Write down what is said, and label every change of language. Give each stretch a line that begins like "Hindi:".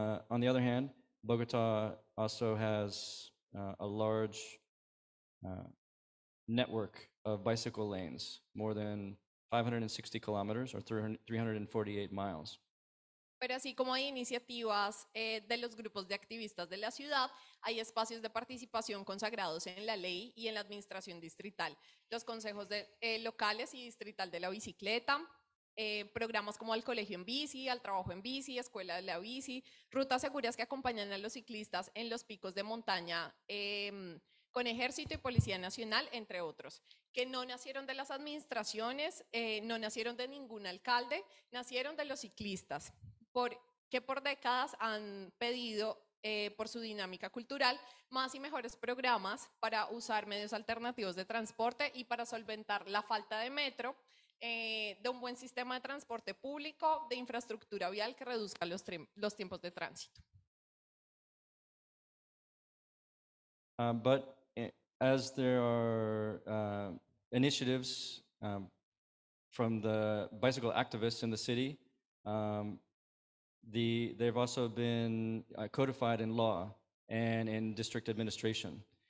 English: On the other hand, Bogota also has a large network of bicycle lanes, more than 560 kilometers or 348 miles.
Spanish: Pero así como hay iniciativas de los grupos de activistas de la ciudad, hay espacios de participación consagrados en la ley y en la administración distrital, los consejos de, locales y distrital de la bicicleta, programas como al colegio en bici, al trabajo en bici, escuela de la bici, rutas seguras que acompañan a los ciclistas en los picos de montaña con ejército y policía nacional, entre otros, que no nacieron de las administraciones, no nacieron de ningún alcalde, nacieron de los ciclistas. Que por décadas han pedido por su dinámica cultural más y mejores programas para usar medios alternativos de transporte y para solventar la falta de metro, de un buen sistema de transporte público, de infraestructura vial que reduzca los tiempos de tránsito.
English: But as there are initiatives from the bicycle activists in the city, they've also been codified in law and in district administration.